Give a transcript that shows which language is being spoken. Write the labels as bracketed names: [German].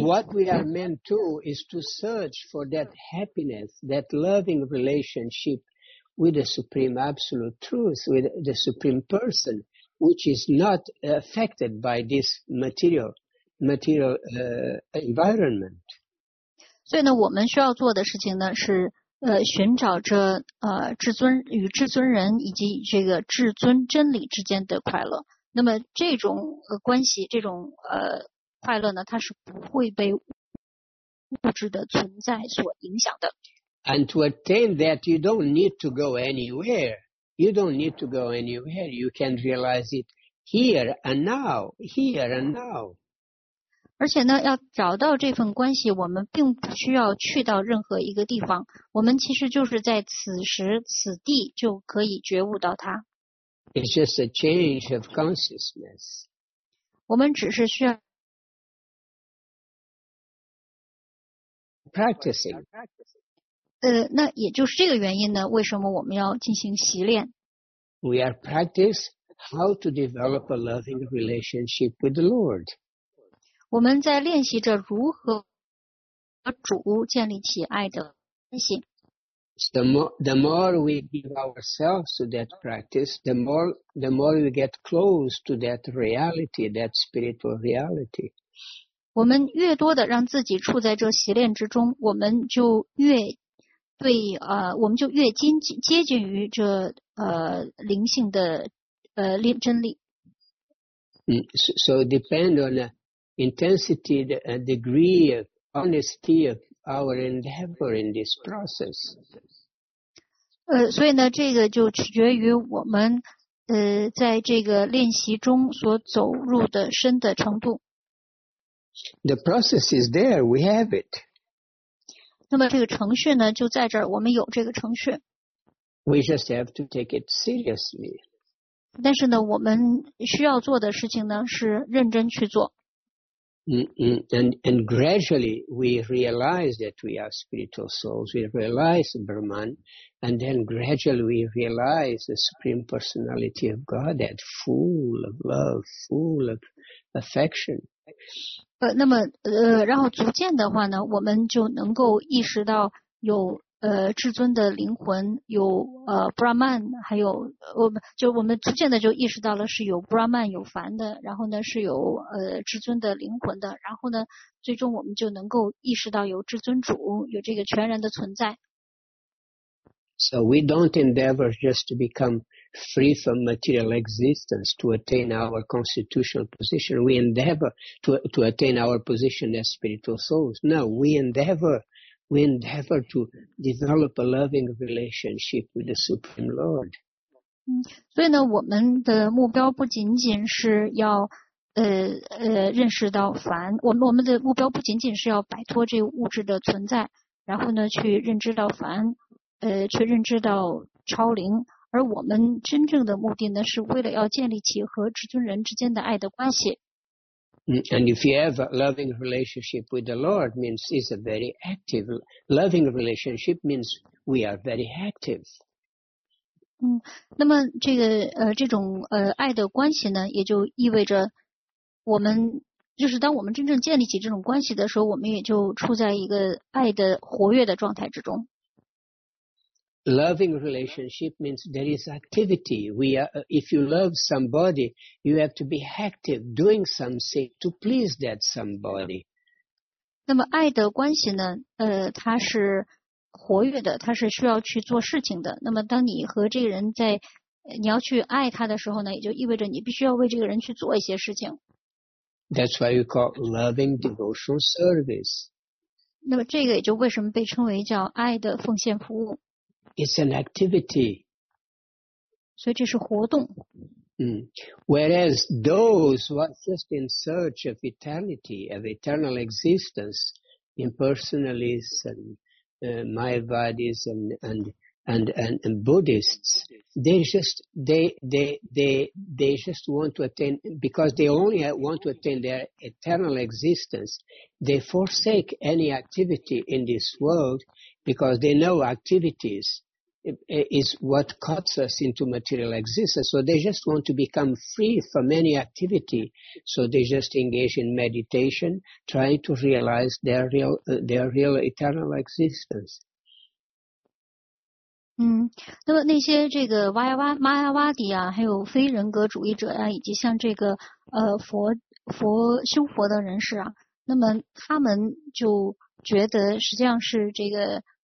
[English] So what we are meant to is to search for that happiness, that loving relationship with the Supreme Absolute Truth, with the Supreme Person. Which is not affected by this material environment. [Chinese] 所以呢，我们需要做的事情呢是寻找着至尊与至尊人以及这个至尊真理之间的快乐。那么这种关系，这种快乐呢，它是不会被物质的存在所影响的。 [English] And to attain that, you don't need to go anywhere. You don't need to go anywhere. You can realize it here and now. Here and now. [Chinese] 而且呢，要找到这份关系，我们并不需要去到任何一个地方。我们其实就是在此时此地就可以觉悟到它。 [English] It's just a change of consciousness. [Chinese] 我们只是需要 [English] practicing. [Chinese] 那也就是这个原因呢，为什么我们要进行习练 [English] ？We are practice how to develop a loving relationship with the Lord. [Chinese] 我们在练习着如何和主建立起爱的关系。 [English] The more we give ourselves to that practice, the more we get close to that reality, that spiritual reality. [Chinese] 我们越多的让自己处在这习练之中，我们就越对我们就越接近于这灵性的真理。 [English] So it depends on the intensity, the degree of honesty of our endeavor in this process. [Chinese] 所以呢，这个就取决于我们在这个练习中所走入的深的程度。 [English] The process is there, we have it. [Chinese] 那么这个程序呢就在这儿，我们有这个程序。 [English] We just have to take it seriously. [Chinese] 但是呢，我们需要做的事情呢是认真去做。 [English] And gradually we realize that we are spiritual souls. We realize Brahman, and then gradually we realize the Supreme Personality of Godhead, full of love, full of affection. [Chinese] 那么然后逐渐的话呢，我们就能够意识到有至尊的灵魂有Brahman， 还有我们逐渐的就意识到了是有 Brahman 有凡的，然后呢是有至尊的灵魂的，然后呢最终我们就能够意识到有至尊主，有这个全然的存在。 [English] So we don't endeavor just to become free from material existence to attain our constitutional position. We endeavor to attain our position as spiritual souls. No, we endeavor to develop a loving relationship with the Supreme Lord. [Chinese] 所以呢，我们的目标不仅仅是要认识到凡，我们的目标不仅仅是要摆脱这物质的存在，然后呢去认知到凡，去认知到超灵，而我们真正的目的呢，是为了要建立起和至尊人之间的爱的关系。 [English] And if you have a loving relationship with the Lord, means it's a very active loving relationship. Means we are very active. [Chinese] 那么这个这种爱的关系呢，也就意味着我们就是当我们真正建立起这种关系的时候，我们也就处在一个爱的活跃的状态之中。 [English] Loving relationship means there is activity. If you love somebody, you have to be active doing something to please that somebody. [Chinese] 那么爱的关系呢？它是活跃的，它是需要去做事情的。那么当你和这个人在，你要去爱他的时候呢，也就意味着你必须要为这个人去做一些事情。 [English] That's why we call loving devotional service. [Chinese] 那么这个也就为什么被称为叫爱的奉献服务。 [English] It's an activity. [Chinese] 所以这是活动。 [English] Whereas those who are just in search of eternity, of eternal existence, impersonalists and Mayavadis and Buddhists, they just want to attain, because they only want to attain their eternal existence, they forsake any activity in this world because they know activities. Is what cuts us into material existence. So they just want to become free from any activity. So they just engage in meditation, trying to realize their real eternal existence. [Chinese] 那么那些这个玛雅瓦迪啊，还有非人格主义者啊，以及像这个佛修佛的人士啊，那么他们就觉得实际上是这个